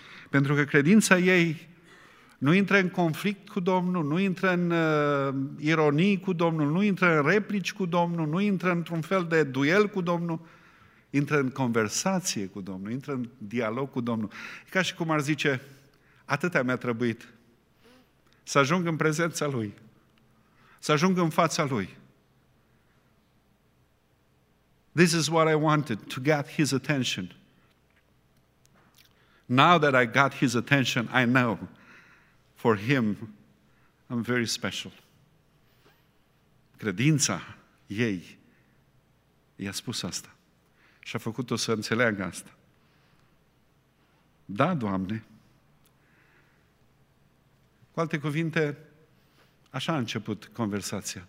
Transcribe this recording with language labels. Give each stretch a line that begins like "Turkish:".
Romanian: Pentru că credința ei nu intră în conflict cu Domnul, nu intră în ironii cu Domnul, nu intră în replici cu Domnul, nu intră într-un fel de duel cu Domnul, intră în conversație cu Domnul, intră în dialog cu Domnul. E ca și cum ar zice, atâta mi-a trebuit să ajung în prezența Lui, să ajung în fața Lui.
English: This is what I wanted, to get His attention. Now that I got His attention, I know for him, I'm very special.
Romanian: Credința ei i-a spus asta și a făcut-o să înțeleagă asta. Da, Doamne. Cu alte cuvinte, așa a început conversația.